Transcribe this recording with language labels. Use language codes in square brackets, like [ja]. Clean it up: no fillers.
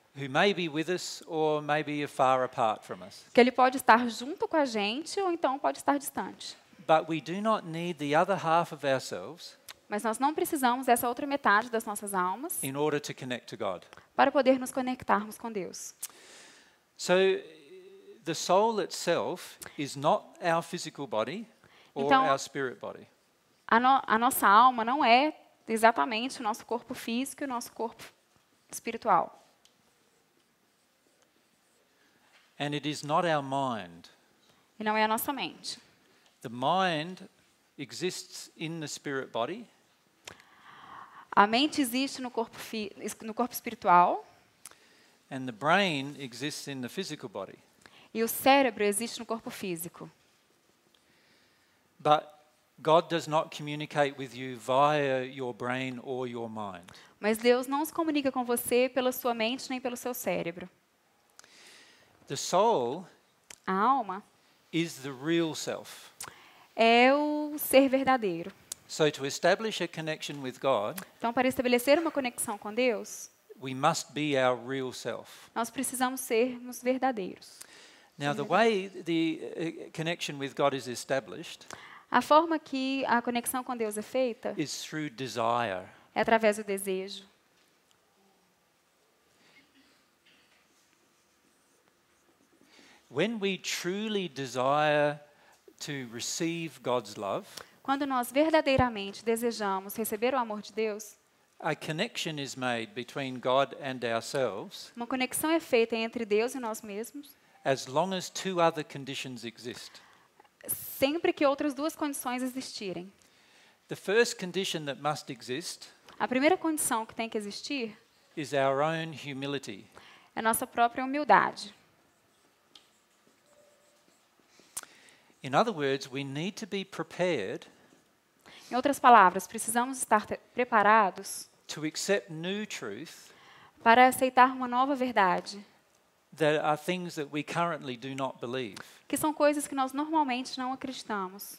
[en] Who may be with us or may be far apart from us. [pt] Que ele pode estar junto com a gente ou então pode estar distante. [en] But we do not need the other half of ourselves. [pt] Mas nós não precisamos dessa outra metade das nossas almas. [en] In order to connect to God. [pt] Para poder nos conectarmos com Deus. [en] So the soul itself is not our physical body. [pt] Então, [en] our spirit body. [pt] A nossa alma não é exatamente o nosso corpo físico e o nosso corpo espiritual. [en] And it is not our mind. [pt] E não é a nossa mente. [en] The mind exists in the spirit body. [pt] A mente existe no corpo espiritual. [en] And the brain exists in the physical body. [pt] E o cérebro existe no corpo físico. [en] But God does not communicate with you via your brain or your mind. [pt] Mas Deus não se comunica com você pela sua mente nem pelo seu cérebro. [en] The soul, [pt] a alma, [en] is the real self. [pt] É o ser verdadeiro. [en] So to establish a connection with God, [pt] então para estabelecer uma conexão com Deus, [en] we must be our real self. [pt] Nós precisamos sermos verdadeiros. [en] Now the way the connection with God is established, [pt] a forma que a conexão com Deus é feita, [en] is through desire. [pt] É através do desejo. [en] When we truly desire to receive God's love, [pt] quando nós verdadeiramente desejamos receber o amor de Deus, [en] a connection is made between God and ourselves. [pt] Uma conexão é feita entre Deus e nós mesmos. [en] As long as two other conditions exist. [pt] Sempre que outras duas condições existirem. [en] The first condition that must exist. [pt] A primeira condição que tem que existir. [en] Is our own humility. [pt] É nossa própria humildade. [en] In other words, we need to be prepared. [pt] Em outras palavras, precisamos estar preparados. [en] To accept new truth. [pt] Para aceitar uma nova verdade. [en] That are things that we currently do not believe. [pt] Que são coisas que nós normalmente não acreditamos.